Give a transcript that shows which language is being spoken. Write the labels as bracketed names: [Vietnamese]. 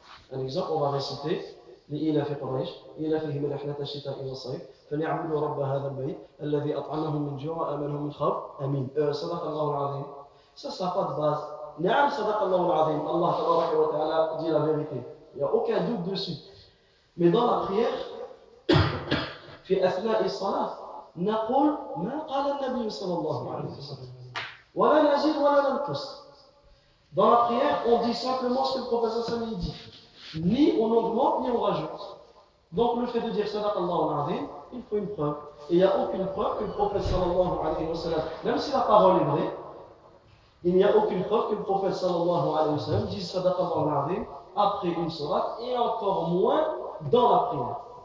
[French] Un exemple, on va réciter [Arabic] l'Ila fi Quraish, l'Ila fi Himal Ahlat al-Shita ila Saif, فَلْيَعْبُدُوا رَبَّ هَذَا الْبَيْتِ الَّذِي أَطْعَمَهُمْ مِنْ جُوعٍ وَآمَنَهُمْ مِنْ خَوْفٍ آمين. صدق الله العظيم. [French] Ça, ça n'a pas de base. [Arabic] نعم صدق الله العظيم. [French] Allah تبارك وتعالى dit la vérité. Il n'y a aucun doute dessus. Mais dans la prière, [Arabic] في أثناء الصلاة, نقول ما قال النبي صلى الله عليه وسلم. ولا نزيد ولا ننقص. [French] Dans la prière, on dit simplement ce que le prophète صلى الله عليه وسلم dit. Ni on augmente, ni on rajoute. Donc le fait de dire [Arabic] صدق الله العظيم, [French] il faut une preuve. Et il n'y a aucune preuve que le prophète sallallahu alayhi wa sallam, même si la parole est vraie, il n'y a aucune preuve que le prophète sallallahu alayhi wa sallam dise sadaqah al-azim après une sourate et encore moins dans la prière.